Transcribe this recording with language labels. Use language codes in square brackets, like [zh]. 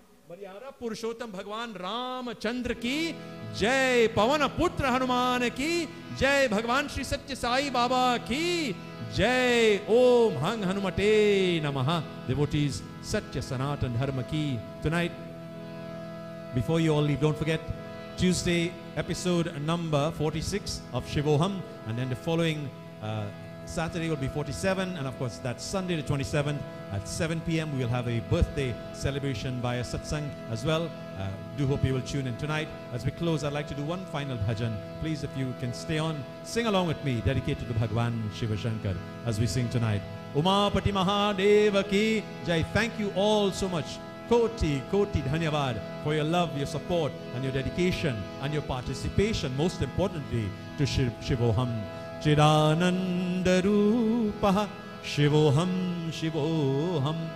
[hi] बलियारा पुरुषोत्तम भगवान रामचंद्र की जय पवन पुत्र हनुमान की जय भगवान श्री सत्य साई बाबा की जय ओम हंग हनुमते नमः [en] Devotees सत्य सनातन धर्म की tonight before you all leave don't forget Tuesday, episode number 46 of Shivoham, and then the following Saturday will be 47, and of course that Sunday the 27th at 7 p.m. we'll have a birthday celebration via satsang as well. Do hope you will tune in tonight. As we close, I'd like to do one final bhajan. Please, if you can stay on, sing along with me, dedicated to the Bhagwan Shiva Shankar, as we sing tonight. [hi] Umapati Mahadeva Ki Jai. [en] Thank you all so much. [hi] Koti, koti dhanyavad [en] for your love, your support, and your dedication, and your participation, most importantly, to Shivoham. [sa] Chidananda Rupaha, Shivoham, Shivoham.